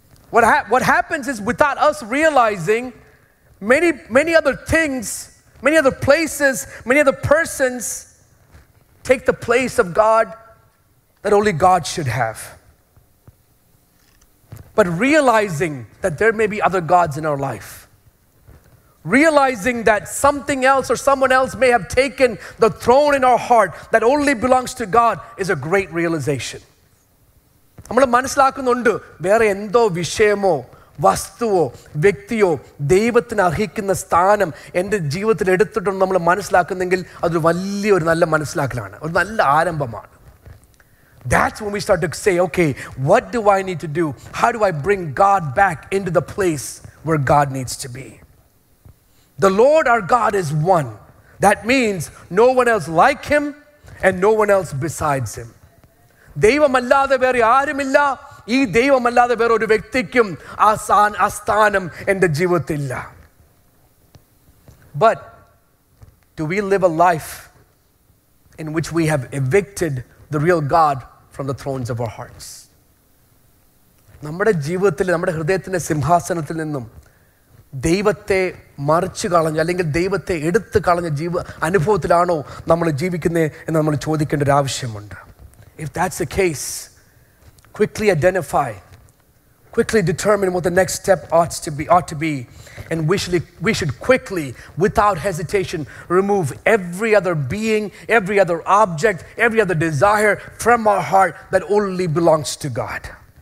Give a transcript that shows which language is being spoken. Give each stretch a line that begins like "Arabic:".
English: What happens is, without us realizing, many, many other things, many other places, many other persons take the place of God that only God should have. But realizing that there may be other gods in our life, realizing that something else or someone else may have taken the throne in our heart that only belongs to God, is a great realization.
Malayalam: നമ്മൾ മനസ്സിലാക്കുന്നുണ്ട്, വേറെ എന്തോ വിഷയമോ വസ്തുവോ വ്യക്തിയോ ദൈവത്തിന് അർഹിക്കുന്ന സ്ഥാനം എൻ്റെ ജീവിതത്തിൽ എടുത്തിട്ടുണ്ട് നമ്മൾ മനസ്സിലാക്കുന്നെങ്കിൽ, അതൊരു വലിയൊരു നല്ല മനസ്സിലാക്കലാണ്, ഒരു നല്ല ആരംഭമാണ്.
English: That's when we start to say, okay, what do I need to do? How do I bring God back into the place where God needs to be? The Lord our God is one. That means no one else like Him and no one else besides Him.
Malayalam: ദൈവമല്ലാതെ വേറെ ആരുമില്ല, ഈ ദൈവമല്ലാതെ വേറൊരു വ്യക്തിക്കും ആ സ്ഥാനം എൻ്റെ ജീവിതത്തിലില്ല.
English: But do we live a life in which we have evicted the real God from the thrones of our hearts.
Malayalam: നമ്മുടെ ജീവിതത്തിൽ നമ്മുടെ ഹൃദയത്തിൻ്റെ സിംഹാസനത്തിൽ നിന്നും ദൈവത്തെ മറിച്ചു കളഞ്ഞ അല്ലെങ്കിൽ ദൈവത്തെ എടുത്തു കളഞ്ഞ ജീവ അനുഭവത്തിലാണോ നമ്മൾ ജീവിക്കുന്നത് എന്ന് നമ്മൾ ചോദിക്കേണ്ട ഒരു ആവശ്യമുണ്ട്.
English: If that's the case, quickly identify, quickly determine what the next step ought to be, and we should quickly, without hesitation, remove every other being, every other object, every other desire from our heart that only belongs to God.